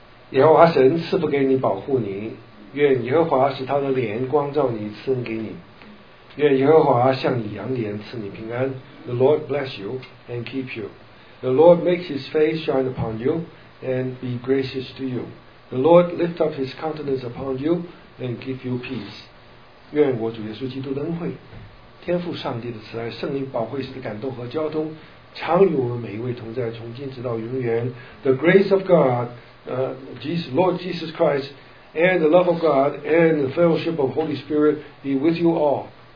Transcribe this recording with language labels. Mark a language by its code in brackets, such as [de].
[zh] 耶和华神赐福给你，保护你。愿耶和华使他的脸光照你，赐恩给你。愿耶和华向你扬脸，赐你平安。 [en] The Lord bless you and keep you. The Lord makes his face shine upon you and be gracious to you. The Lord lift up his countenance upon you and give you peace. [zh] 愿我主耶稣基督的恩惠、天父上帝的慈爱、圣灵宝惠神的感动和交通，常与我们每一位同在，从今直到永远。 [en] The grace of God,Lord Jesus Christ, and the love of God and the fellowship of Holy Spirit be with you all.